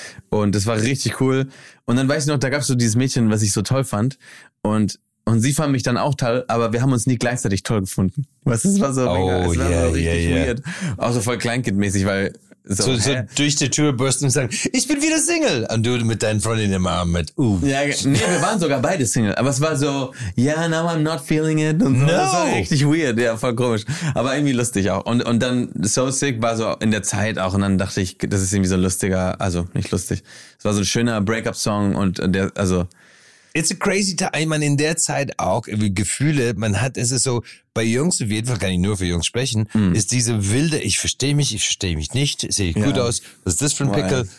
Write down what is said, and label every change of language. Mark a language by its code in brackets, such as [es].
[de] Und das war richtig cool. Und dann weiß ich noch, da gab es so dieses Mädchen, was ich so toll fand. Und sie fand mich dann auch toll, aber wir haben uns nie gleichzeitig toll gefunden. Was ist, war so, weird. Auch so voll Kleinkindmäßig, weil so durch die Tür bürsten und sagen, ich bin wieder Single. Und du mit deinen Freundinnen im Arm mit, Ja, nee, wir waren sogar beide Single. Aber es war so, [en] yeah, now I'm not feeling it. [de] Und so. [en] No. [de] Das war richtig weird, ja, voll komisch. Aber irgendwie lustig auch. Und dann So Sick war so in der Zeit auch. Und dann dachte ich, das ist irgendwie so lustiger, also nicht lustig. Es war so ein schöner Breakup-Song und der, also. [en] It's a crazy time. [de] Ich meine, in der Zeit auch irgendwie Gefühle, man hat, es ist so, bei Jungs, auf jeden Fall kann ich nur für Jungs sprechen, ist diese wilde, ich verstehe mich nicht, sehe ich gut aus, was ist das für ein Pickle?